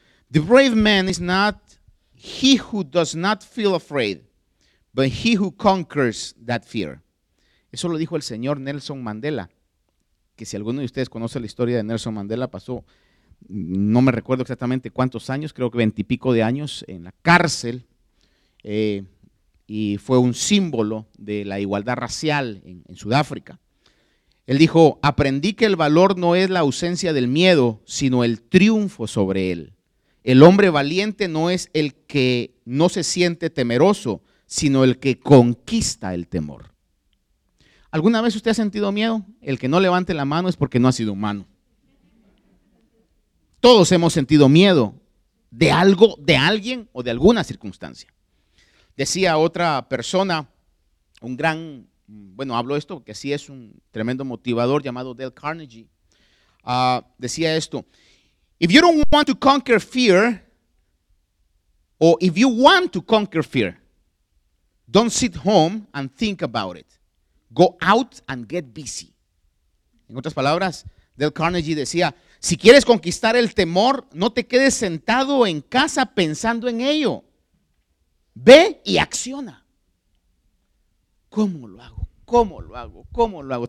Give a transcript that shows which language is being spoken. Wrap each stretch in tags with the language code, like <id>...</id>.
<en>The brave man is not he who does not feel afraid, but he who conquers that fear.</en> <es>Eso lo dijo el señor Nelson Mandela, que si alguno de ustedes conoce la historia de Nelson Mandela, pasó, no me recuerdo exactamente cuántos años, creo que 20 y pico de años en la cárcel, y fue un símbolo de la igualdad racial en Sudáfrica. Él dijo, aprendí que el valor no es la ausencia del miedo, sino el triunfo sobre él. El hombre valiente no es el que no se siente temeroso, sino el que conquista el temor. ¿Alguna vez usted ha sentido miedo? El que no levante la mano es porque no ha sido humano. Todos hemos sentido miedo de algo, de alguien o de alguna circunstancia. Decía otra persona, un gran, bueno, hablo esto porque así es, un tremendo motivador llamado Dale Carnegie. Decía esto,</es> <en>if you don't want to conquer fear, or if you want to conquer fear, don't sit home and think about it. Go out and get busy.</en> <es>En otras palabras, Dale Carnegie decía, si quieres conquistar el temor, no te quedes sentado en casa pensando en ello. Ve y acciona. ¿Cómo lo hago? ¿Cómo lo hago? ¿Cómo lo hago?</es>